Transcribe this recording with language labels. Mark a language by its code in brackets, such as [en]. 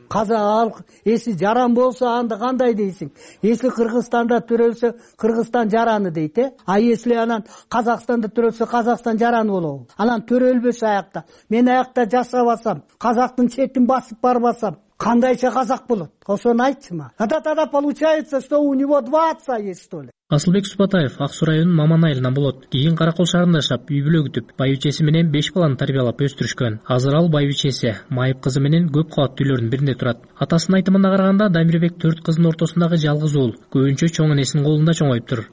[ky] Казак ал эси жаран болсо анда кандай дейсиң? Эски Кыргызстанда төрөлсө Кыргызстан жараны дейт э? А если анан Казакстанда төрөлсө Казакстан жараны болобу? Анан төрөлбөсө аякта. Мен аякта жашабасам, казактын четин басып барбасам кандайча казак болот? Ошону айтчыма. [ru] А да тогда получается, что у него два отца есть, что ли? [ky] Асылбек Субатаев Аксу районунун Маман айылынан болот. Кийин Каракол шаарында жашап, үй бүлө күтүп, байбичеси менен 5 баланы тарбиялап өстүрүшкөн. Азыр ал байбичеси Майып кызы менен көп кабаттуу үйлөрдүн биринде турат. Атасынын айтымына караганда, Дамирбек 4 кызынын ортосундагы жалгыз уул, көбүнчө чоң энесинин колунда чоңойтур.